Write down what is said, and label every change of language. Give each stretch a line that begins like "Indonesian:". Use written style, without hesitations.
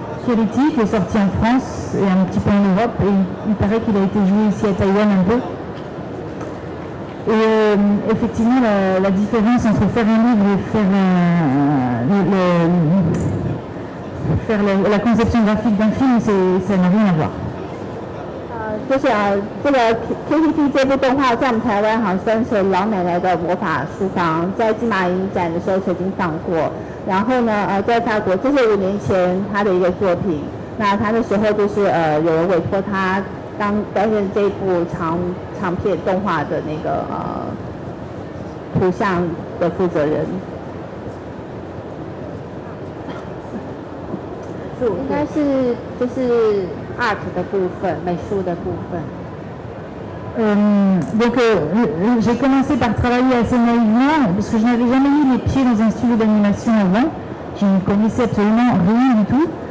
French: Qui est sorti en France et un petit peu en Europe, et il paraît qu'il a été joué ici à Taïwan un peu. Et effectivement, la différence entre faire un livre et faire, la conception graphique d'un film, c'est, ça n'a rien à voir.
Chinese: 就是这个 KTT 这部动画在我们台湾好像是老奶奶的魔法书房，在金马影展的时候曾经放过，然后呢，在法国，这是五年前他的一个作品，那他那时候就是有人委托他当担任这部长片动画的那个图像的负责人。
French: Donc j'ai commencé par travailler assez naïvement parce que je n'avais jamais mis les pieds dans un studio d'animation avant. Je ne connaissais absolument rien du tout.